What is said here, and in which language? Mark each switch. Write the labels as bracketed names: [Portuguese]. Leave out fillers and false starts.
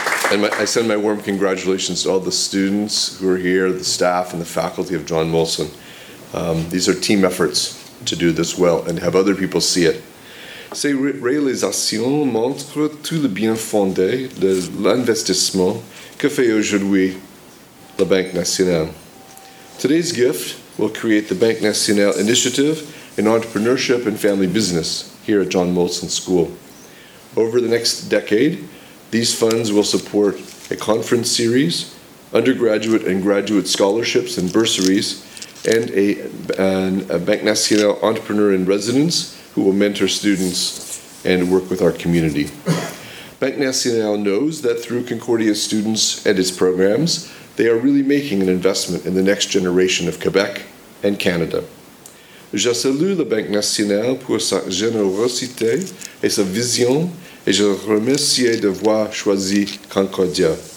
[English] And I send my warm congratulations to all the students who are here, the staff and the faculty of John Molson. These are team efforts to do this well and have other people see it. [French] Ces réalisations montrent tout le bien fondé de l'investissement que fait aujourd'hui la Banque Nationale. [English] Today's gift will create the Banque Nationale Initiative in Entrepreneurship and Family Business here at John Molson School. Over the next decade, these funds will support a conference series, undergraduate and graduate scholarships and bursaries, and a Banque Nationale entrepreneur in residence who will mentor students and work with our community. Banque Nationale knows that through Concordia students and its programs, they are really making an investment in the next generation of Quebec and Canada. [French] Je salue la Banque Nationale pour sa générosité et sa vision, et je remercie d'avoir choisi Concordia.